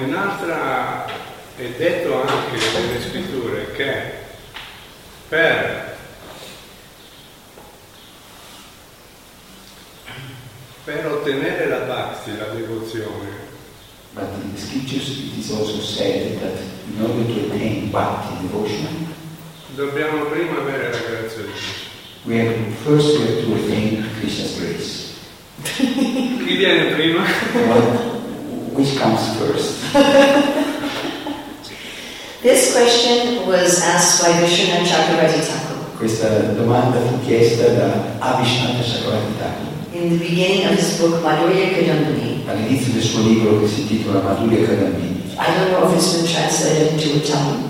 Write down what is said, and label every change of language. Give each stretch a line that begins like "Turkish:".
Italian: Un'altra è detto anche nelle scritture che per ottenere la bhakti, la devozione.
English: But in the scriptures it is also said that in order to attain bhakti, devotion,
Italian: dobbiamo prima avere la grazia di
English: Krishna. We have to attain Krishna's grace.
Italian: Chi viene prima?
English: Which comes first? This question was asked by Vishnu Chakravarti Thakur.
Italian: Questa domanda fu chiesta da Abhishanta Chakravarti Thakur.
English: In the beginning of his book Madhurya Kadambini.
Italian: All'inizio del suo libro che si intitola Madhurya Kadambini.
English: I don't know if it's been translated into Italian.